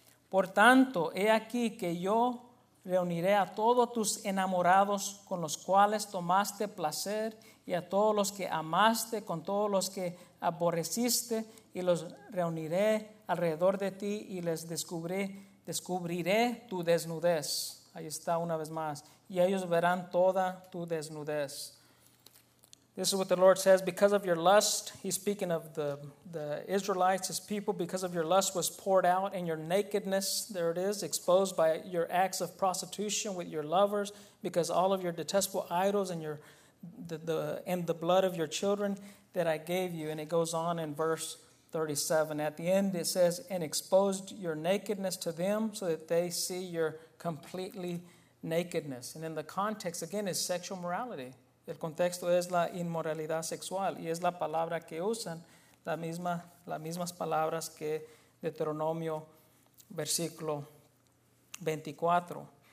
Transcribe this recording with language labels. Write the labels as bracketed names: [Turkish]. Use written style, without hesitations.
[Spanish] Por tanto, he aquí que yo reuniré a todos tus enamorados con los cuales tomaste placer y a todos los que amaste con todos los que aborreciste y los reuniré alrededor de ti y les descubriré tu desnudez. Ahí está una vez más. Y ellos verán toda tu desnudez. [English] This is what the Lord says, because of your lust, he's speaking of the Israelites, his people, because of your lust was poured out and your nakedness, there it is, exposed by your acts of prostitution with your lovers, because all of your detestable idols and your and the blood of your children that I gave you. And it goes on in verse 37. At the end it says, and exposed your nakedness to them so that they see your completely nakedness. And in the context, again, is sexual morality. [Spanish] El contexto es la inmoralidad sexual y es la palabra que usan, las mismas palabras que Deuteronomio versículo 24.